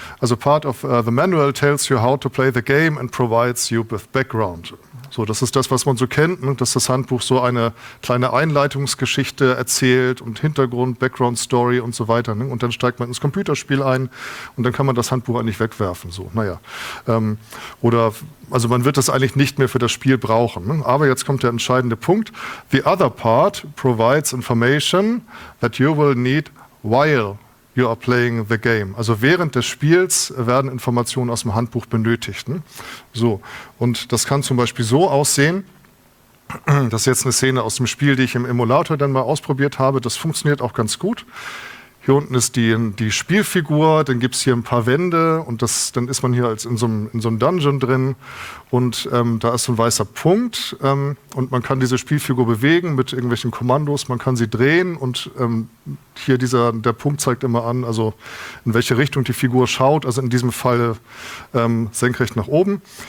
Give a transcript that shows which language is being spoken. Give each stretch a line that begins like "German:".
English: Also part of the manual tells you how to play the game and provides you with background.
German: So, das ist das, was man so kennt, ne? Dass das Handbuch so eine kleine Einleitungsgeschichte erzählt und Hintergrund, Background Story und so weiter. Ne? Und dann steigt man ins Computerspiel ein und dann kann man das Handbuch eigentlich wegwerfen. So, naja. Also man wird das eigentlich nicht mehr für das Spiel brauchen. Ne? Aber jetzt kommt der entscheidende Punkt.
English: The other part provides information that you will need while you are playing the game.
German: Also während des Spiels werden Informationen aus dem Handbuch benötigt. Ne? So, und das kann zum Beispiel so aussehen. Das ist jetzt eine Szene aus dem Spiel, die ich im Emulator dann mal ausprobiert habe. Das funktioniert auch ganz gut. Hier unten ist die Spielfigur, dann gibt es hier ein paar Wände und dann ist man hier als in so einem Dungeon drin und da ist so ein weißer Punkt und man kann diese Spielfigur bewegen mit irgendwelchen Kommandos, man kann sie drehen und hier der Punkt zeigt immer an, also in welche Richtung die Figur schaut, also in diesem Fall senkrecht nach oben.